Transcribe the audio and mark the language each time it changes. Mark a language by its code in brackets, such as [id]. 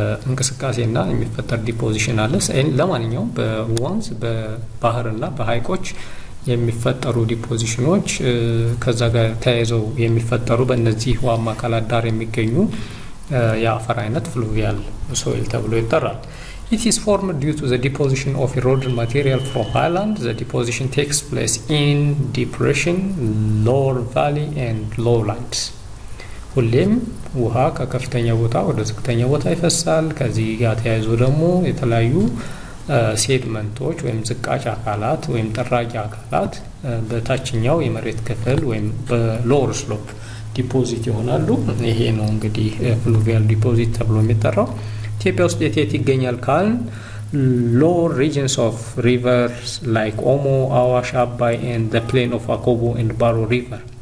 [am] እንቅስቃሴና የሚፈጠር ዲፖዚሽን አለ። ለማንኛውም በወንዝ በባህርና በሃይቆች የሚፈጠሩ ዲፖዚሽኖች ከዛ ጋር ተያይዘው የሚፈጠሩ በእነዚህ ውሃማ አካላት ዳር የሚገኙ የአፈር አይነት ፍሉቪያል ሶይል ተብሎ ይጠራል። [en] It is formed due to the deposition of eroded material from highland. The deposition takes place in depression, lower valley and lowlands. [am] ሁሌም ውሃ ከከፍተኛ ቦታ ወደ ዝቅተኛ ቦታ ይፈሳል። ከዚህ ጋር ተያይዞ ደግሞ የተለያዩ ሴድመንቶች ወይም ዝቃጭ አካላት ወይም ጠራቂ አካላት በታችኛው የመሬት ክፍል ወይም በሎወር ስሎፕ ዲፖዚት ይሆናሉ። ይሄ ነው እንግዲህ ፍሉቪያል ዲፖዚት ተብሎ የሚጠራው። ኢትዮጵያ ውስጥ የት ይገኛል ካልን [en] lower regions of rivers like Omo, Awash, Abay and the plain of Akobo and Baro River.